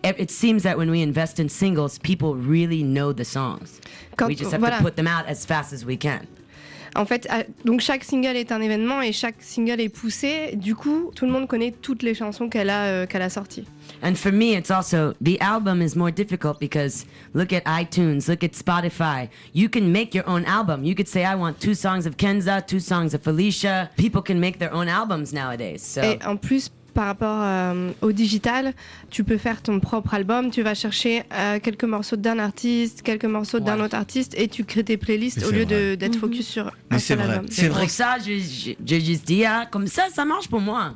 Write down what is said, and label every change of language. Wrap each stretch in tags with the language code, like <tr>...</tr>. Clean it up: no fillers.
<en>It seems that when we invest in singles, people really know the songs. We just have to put them out as fast as we can.</en> <fr>En fait, donc chaque single est un événement et chaque single est poussé. Du coup, tout le monde connaît toutes les chansons qu'elle a sorties.</fr> <en>And for me, it's also the album is more difficult because look at iTunes, look at Spotify. You can make your own album. You could say, I want two songs of Kenza, two songs of Felicia. People can make their own albums nowadays. So.</en> <fr>Et en plus, par rapport au digital, tu peux faire ton propre album, tu vas chercher quelques morceaux d'un artiste, quelques morceaux d'un autre artiste, et tu crées tes playlists au lieu d'être focus sur un seul album. C'est vrai. Pour ça, j'ai juste dit, hein, comme ça, ça marche pour moi.</fr>